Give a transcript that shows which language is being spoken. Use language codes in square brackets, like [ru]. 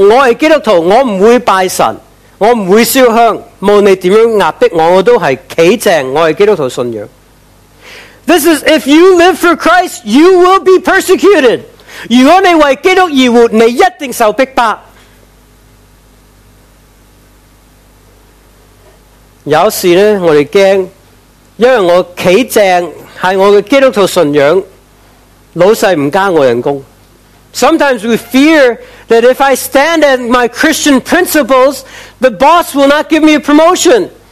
[zh] 你可不可以站立得稳，说我是基督徒，我不会拜神。我不会烧香，无论你怎样压迫我，我都是站正，我是基督徒信仰。 [en] This is, if you live for Christ, you will be persecuted. [zh] 如果你为基督而活，你一定受逼迫。有时呢，我们怕，因为我站正，是我的基督徒信仰，老细不加我人工。 [en] Sometimes we fear that if I stand at my Christian principles, the boss will not give me a promotion.